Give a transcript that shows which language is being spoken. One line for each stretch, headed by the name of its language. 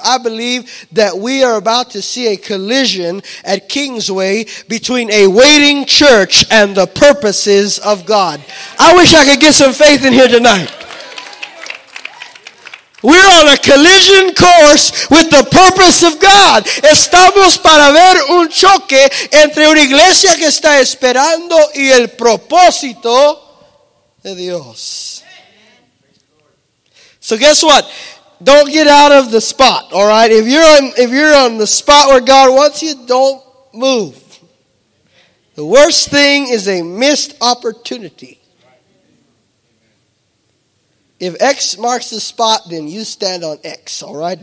English: I believe that we are about to see a collision at Kingsway between a waiting church and the purposes of God. I wish I could get some faith in here tonight. We're on a collision course with the purpose of God.
Spanish: Estamos para ver un choque entre una iglesia que está esperando y el propósito de Dios.
English: So guess what? Don't get out of the spot, all right? If you're on the spot where God wants you, don't move. The worst thing is a missed opportunity. If X marks the spot, then you stand on X, all right?